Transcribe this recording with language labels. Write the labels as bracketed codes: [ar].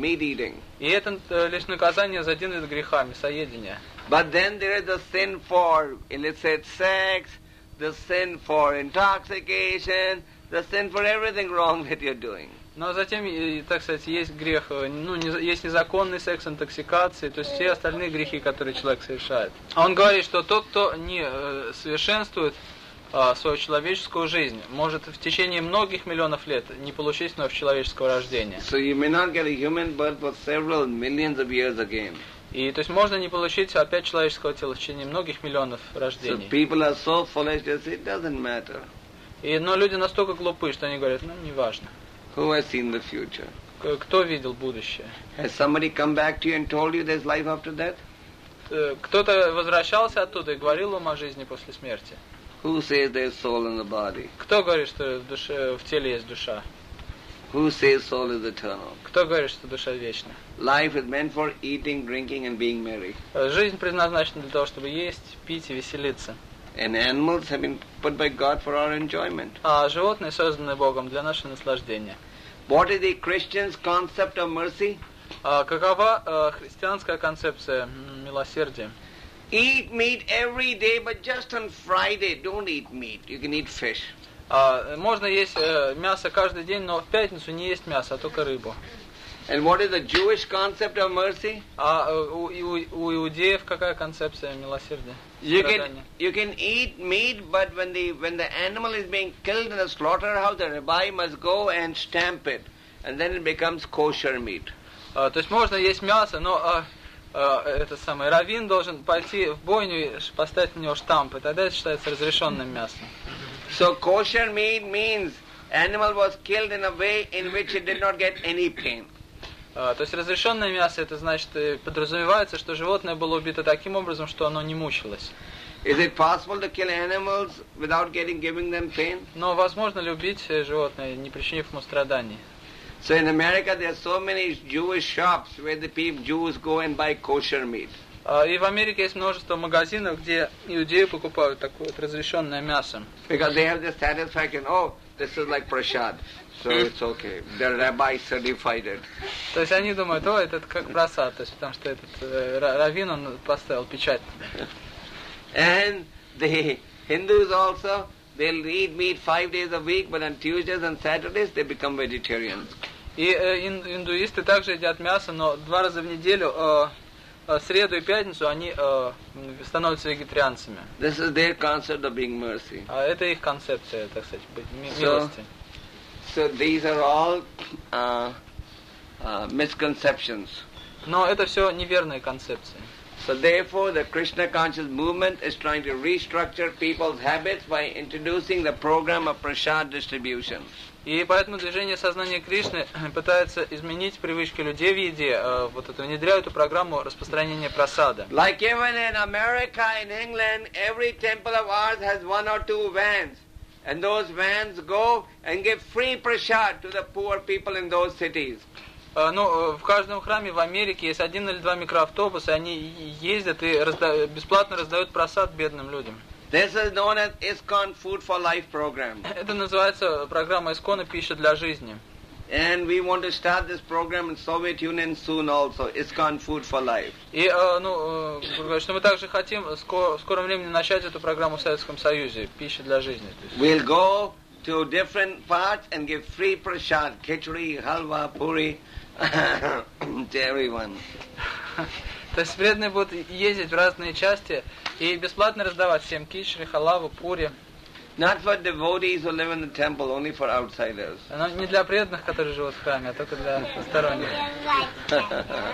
[en] Meat eating. [ru] И это лишь наказание за один из грехов мясоедения. [en] But then there is the sin for illicit sex, the sin for intoxication, the sin for everything wrong that you're doing. [ru] Но затем, так сказать, есть грех, есть незаконный секс, интоксикация, то есть все остальные грехи, которые человек совершает. Он говорит, что тот, кто не совершенствует свою человеческую жизнь, может в течение многих миллионов лет не получить вновь человеческого рождения. [en] So you may not get a human birth for several millions of years again. [ru] И то есть можно не получить опять человеческого тела в течение многих миллионов рождений. [en] So people are so foolish, they say, it doesn't matter. [ru] Но люди настолько глупы, что они говорят, не важно. [en] Who has seen the future? [ru] Кто видел будущее? [en] Has somebody come back to you and told you there's life after death? [ru] кто-то возвращался оттуда и говорил им о жизни после смерти? [en] Who says there's soul in the body? [ru] Кто говорит, что в теле есть душа? [en] Who says soul is eternal? [ru] Кто говорит, что душа вечна? [en] Life is meant for eating, drinking and being merry. [ru] Жизнь предназначена для того, чтобы есть, пить и веселиться. [en] And animals have been put by God for our enjoyment. [ru] А животные созданы Богом для нашего наслаждения. [en] What is the Christian's concept of mercy? [ru] Какова христианская концепция милосердия? [en] Eat meat every day, but just on Friday. Don't eat meat. You can eat fish. [ru] Можно есть мясо каждый день, но в пятницу не есть мясо, а только рыбу. [en] And what is the Jewish concept of mercy? [ru] У иудеев какая концепция милосердия? [en] You can eat meat, but when the animal is being killed in the slaughterhouse, the rabbi must go and stamp it, and then it becomes kosher meat. [ru] То есть можно есть мясо, но это самое раввин должен пойти в бойню и поставить на него штамп, и тогда это считается разрешенным мясом. [en] So kosher meat means animal was killed in a way in which it did not get any pain. [ru] То есть разрешенное мясо, это значит, подразумевается, что животное было убито таким образом, что оно не мучилось. [en] Is it possible to kill animals without getting, giving them pain? [ru] Но возможно ли убить животное, не причинив ему страданий? [en] So in America there are so many Jewish shops where the people, Jews go and buy kosher meat. [ru] И в Америке есть множество магазинов, где иудеи покупают такое вот разрешенное мясо. [en] Because they have the satisfaction, oh, this is like prashad. So it's okay. The rabbi certified it. [ru] То есть они думают, о, это как просад, то есть потому что этот раввин он поставил печать. [en] And the Hindus also, they'll eat meat 5 days a week, but on Tuesdays and Saturdays they become vegetarians. [ru] И индуисты также едят мясо, но 2 раза в неделю, среду и пятницу, они становятся вегетарианцами. [en] This is their concept of being mercy. [ru] А это их концепция, так сказать, быть милости. [en] So these are all misconceptions. [ru] Но это все неверные концепции. [en] So therefore, the Krishna conscious movement is trying to restructure people's habits by introducing the program of prasad distribution. [ru] И поэтому движение сознания Кришны пытается изменить привычки людей в еде, вот это внедряют эту программу распространения просада. [en] Like even in America, in England, every temple of ours has 1 or 2 vans. And those vans go and give free prasad to the poor people in those cities. [ru] В каждом храме в Америке есть 1 или 2 микроавтобуса, они ездят и бесплатно раздают просад бедным людям. [en] This is known as ISKCON Food for Life program. [ru] Это называется программа ИСКОНа «Пища для жизни». [en] And we want to start this program in Soviet Union soon also. ISKCON Food for Life. [ru] И что мы также хотим в скором времени начать эту программу в Советском Союзе «Пища для жизни». [en] We'll go to different parts and give free prasad, khichdi, halwa, puri to everyone. [ru] То есть преданные будут ездить в разные части и бесплатно раздавать всем khichdi, halwa, puri. [en] Not for devotees who live in the temple, only for outsiders. [ru] Но не для преданных, которые живут в храме, а только для посторонних.